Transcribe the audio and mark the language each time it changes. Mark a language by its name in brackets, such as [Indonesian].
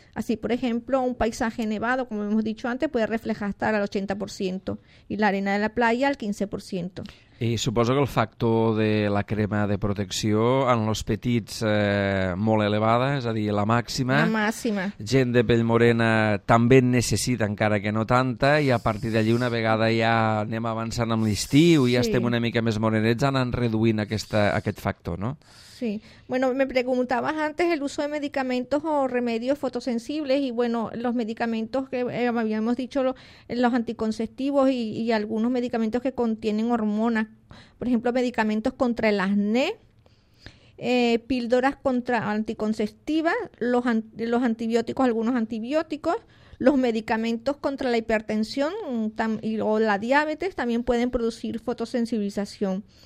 [Spanish] Así, por ejemplo, un paisaje nevado, como hemos dicho antes, puede reflejar hasta el 80% y la arena de la playa al 15%. [Catalan] I suposo que el factor de la crema de protecció en els petits molt elevada, és a dir, la màxima. La màxima. Gent de pell morena també en necessita, encara que no tanta, i a partir d'allí una vegada ja anem avançant amb l'estiu i sí, ja estem una mica més morenets, anant reduint aquest factor, no? [Spanish] Sí, bueno, me preguntabas antes el uso de medicamentos o remedios fotosensibles y bueno, los medicamentos que habíamos dicho, los anticonceptivos y algunos medicamentos que contienen hormonas, por ejemplo, medicamentos contra el acné, píldoras contra anticonceptivas, los antibióticos, algunos antibióticos, los medicamentos contra la hipertensión o la diabetes también pueden producir fotosensibilización.